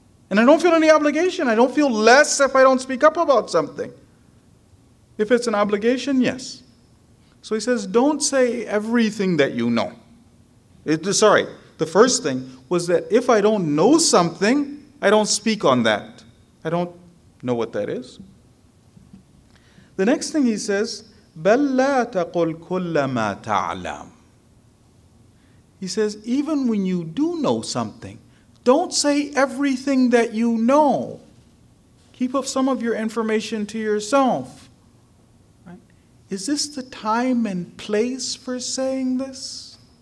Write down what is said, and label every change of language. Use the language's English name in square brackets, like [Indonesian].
[English] And I don't feel any obligation. I don't feel less if I don't speak up about something. If it's an obligation, yes. So he says, don't say everything that you know. The first thing was that if I don't know something, I don't speak on that. I don't know what that is. The next thing he says, [Arabic] بَلْ لَا تَقُلْ كُلَّ مَا تَعْلَمُ. [English] He says, even when you do know something, don't say everything that you know. Keep up some of your information to yourself. Right? Is this the time and place for saying this?